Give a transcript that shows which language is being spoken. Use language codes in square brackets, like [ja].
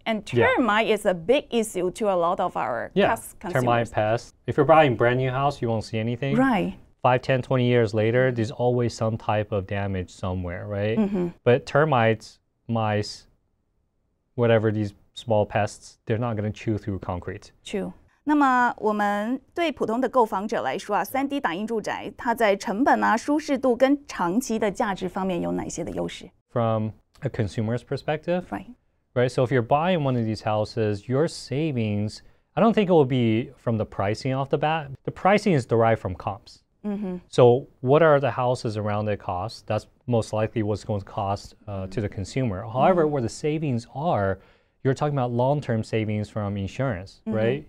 [en] And termite is a big issue to a lot of our consumers. Termite pests. If you're buying a brand new house, you won't see anything. Right. 5, 10, 20 years later, there's always some type of damage somewhere, right? Mm-hmm. But termites, mice, whatever these small pests, they're not going to chew through concrete. Chew. [zh] 那么我们对普通的购房者来说啊 ,3D 打印住宅它在成本啊舒适度跟长期的价值方面有哪些的优势 [en] ?From a consumer's perspective, right, so if you're buying one of these houses, your savings, I don't think it will be from the pricing off the bat. The pricing is derived from comps.、 Mm-hmm. So what are the houses around that cost? That's most likely what's going to cost、to the consumer. However,、mm-hmm. where the savings are,you're talking about long-term savings from insurance, mm-hmm. right?